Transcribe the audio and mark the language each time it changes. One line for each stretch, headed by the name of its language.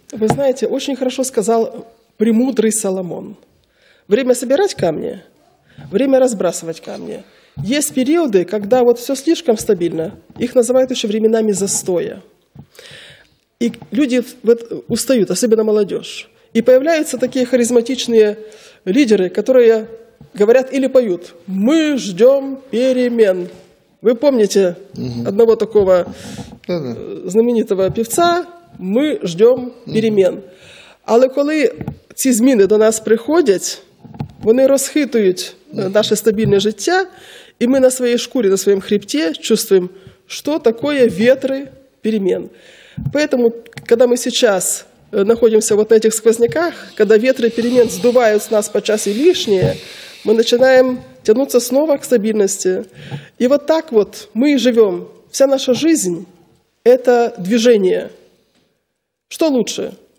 Ukrainian: Ви знаєте, дуже хорошо сказав премудрий Соломон. Время собирати камні, время розбрасувати камні. Є періоди, коли
Russian: вот все слишком
Ukrainian: стабільно, їх називають ще
Russian: временами застоя.
Ukrainian: І люди устають, особливо молодежь.
Russian: И появляются такие харизматичные лидеры, которые говорят или поют: «Мы ждем перемен». Вы помните одного такого знаменитого певца? «Мы ждем перемен».
Ukrainian: Але коли ці зміни до нас приходять, вони розхитують наше стабільне життя, і ми на своїй шкурі, на своєму хребті чувствуємо, що таке вітри перемен.
Russian: Поэтому, когда мы сейчас находимся вот на этих сквозняках, когда ветры перемен сдувают с нас подчас и лишнее, мы начинаем тянуться снова к стабильности. И вот так вот мы и живем. Вся наша жизнь – это движение. Что лучше?